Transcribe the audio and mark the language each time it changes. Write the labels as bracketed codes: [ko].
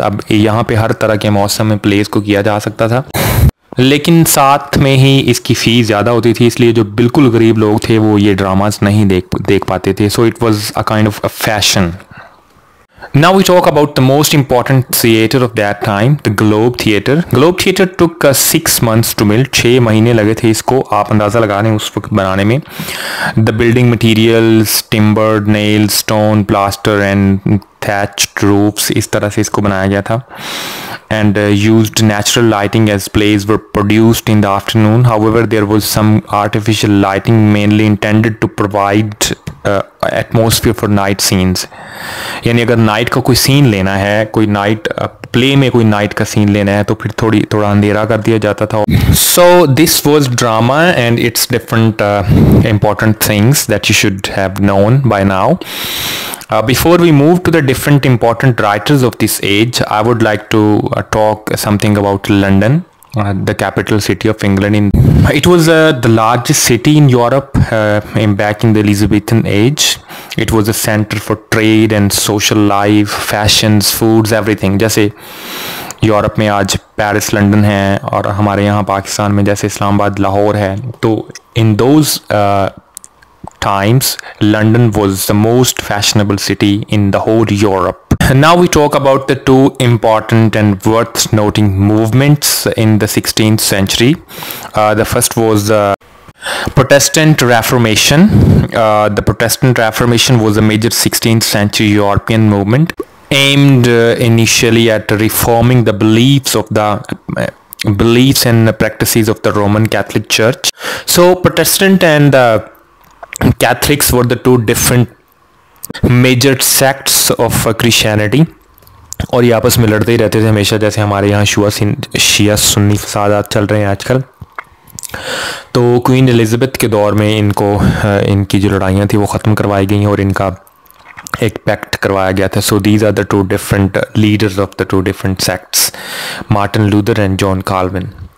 [ur] اب یہاں پہ ہر طرح کے موسم میں پلیز کو کیا جا سکتا تھا, لیکن ساتھ میں ہی اس کی فیس زیادہ ہوتی تھی, اس لیے جو بالکل غریب لوگ تھے وہ یہ ڈراماز نہیں دیکھ پاتے تھے. [en] So it was a kind of a fashion. Now we talk about the most important theater of that time, the Globe Theater. Globe Theater took 6 months to build. [ur] 6 مہینے لگے تھے اس کو, آپ اندازہ لگا رہے ہیں اس وقت بنانے میں. [en] The building materials, timber, nails, stone, plaster and thatched roofs, [ur] اس طرح سے اس کو بنایا گیا تھا. [en] And used natural lighting as plays were produced in the afternoon. However, there was some artificial lighting mainly intended to provide atmosphere for night scenes. [ur] یعنی اگر night کا کوئی سین لینا ہے, کوئی نائٹ پلے میں کوئی نائٹ کا سین لینا ہے, تو پھر تھوڑا اندھیرا کر دیا جاتا تھا. [en] So this was drama and it's different important things that you should have known by now. Before we move to the different important writers of this age, I would like to talk something about London, the capital city of England. It was the largest city in Europe back in the Elizabethan age. It was a center for trade and social life, fashions, foods, everything. [ur] Jaise Europe میں آج Paris London ہے, اور ہمارے یہاں پاکستان میں جیسے اسلام آباد لاہور ہے, تو [en] In those times London was the most fashionable city in the whole Europe. Now we talk about the two important and worth noting movements in the 16th century. The first was the Protestant Reformation. The Protestant Reformation was a major 16th century European movement aimed initially at reforming the beliefs and the practices of the Roman Catholic Church. So Protestant and the Catholics were the two different major sects of Christianity. [ur] اور یہ آپس میں لڑتے ہی رہتے تھے ہمیشہ, جیسے ہمارے یہاں شیعہ سنی فسادات چل رہے ہیں آج کل. تو کوئن الیزابتھ کے دور میں ان کی جو لڑائیاں تھیں وہ ختم کروائی گئیں اور ان کا ایک پیکٹ کروایا گیا تھا. [en] So these are the two different leaders of the two different sects, Martin Luther and John Calvin.